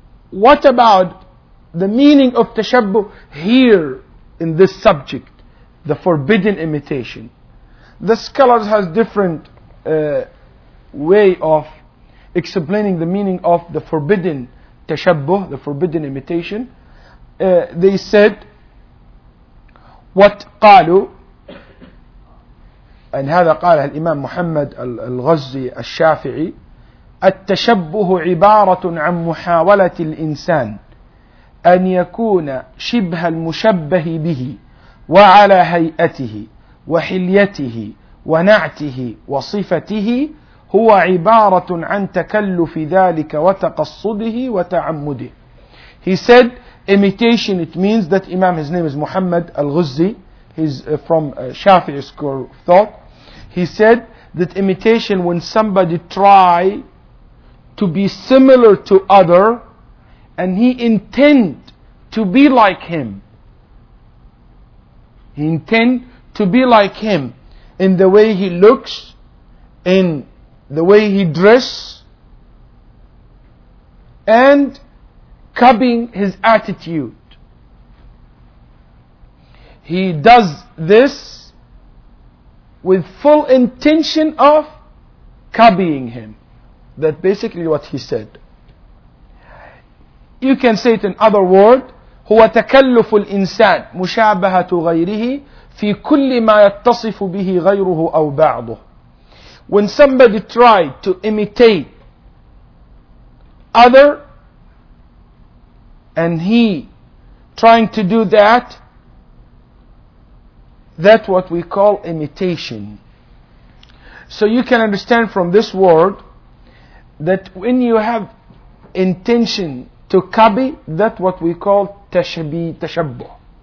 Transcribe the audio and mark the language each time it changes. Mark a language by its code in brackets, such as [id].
[en] What about the meaning of tashabbuh here in this subject, the forbidden imitation? The scholars have different way of explaining the meaning of the forbidden tashabbuh, the forbidden imitation. They said, what [ar] qalu, and hadha qala al-imam Muhammad al-Ghazzi al-Shafi'i, at-tashabbuhu ibaratun an muhawalati al-insan أن يكون شبه المشبه به وعلى هيئته وحليته ونعته وصفته هو عبارة عن تكلف ذلك وتقصده وتعمده. [en] He said, imitation, it means that Imam, his name is Muhammad al-Ghazzi, he's from Shafi'i school of thought. He said that imitation, when somebody try to be similar to other, and he intend to be like him. He intend to be like him in the way he looks, in the way he dress, and copying his attitude. He does this with full intention of copying him. That basically what he said. You can say it in other words, [ar] هو تكلف الإنسان مشابهة غيره في كل ما يتصف به غيره أو بعضه. [en] When somebody tried to imitate other, and he trying to do that, that's what we call imitation. So you can understand from this word that when you have intention to copy, that what we call tashabbuh.